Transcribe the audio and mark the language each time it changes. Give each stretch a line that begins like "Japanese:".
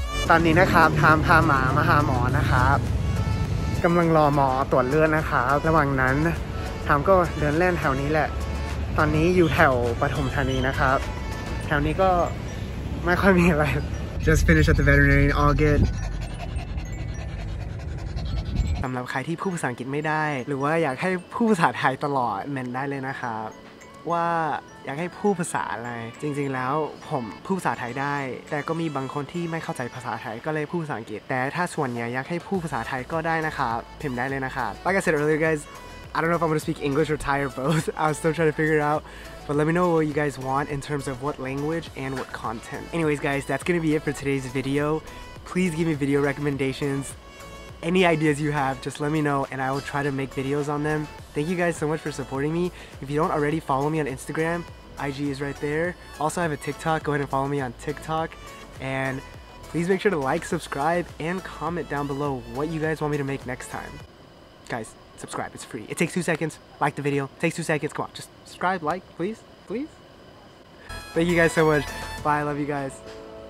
Thai: ตอนนี้นะครับทามพาหมามาหาหมอนะครับกำลังรอหมอตรวจเลือดนะครับระหว่างนั้นทามก็เดินเล่นแถวนี้แหละตอนนี้อยู่แถวปฐมธานีนะครับแถวนี้ก็ไม่ค่อยมีอะไร
English: Just finished at the veterinarian, all good
Thai: สำหรับใครที่พูดภาษาอังกฤษไม่ได้หรือว่าอยากให้พูดภาษาไทยตลอดเมนได้เลยนะครับว่า อยากให้พูดภาษาอะไรจริงๆแล้วผมพูดภาษาไทยได้แต่ก็มีบางคนที่ไม่เข้าใจภาษาไทยก็เลยพูดภาษาอังกฤษแต่ถ้าส่วนใหญ่อยากให้พูดภาษาไทยก็ได้นะครับพิมพ์ได้เลยนะครับ
English: Like I said earlier guys I don't know if I'm gonna speak English or Thai or both I was still trying to figure it out but let me know what you guys want in terms of what language and what content anyways guys that's gonna be it for today's video please give me video recommendations any ideas you have just let me know and I will try to make videos on themThank you guys so much for supporting me. If you don't already follow me on Instagram, IG is right there. Also, I have a TikTok. Go ahead and follow me on TikTok. And please make sure to like, subscribe, and comment down below what you guys want me to make next time. Guys, subscribe. It's free. It takes 2 seconds. Like the video. It takes 2 seconds. Come on. Just subscribe, like, please. Thank you guys so much. Bye. I love you guys.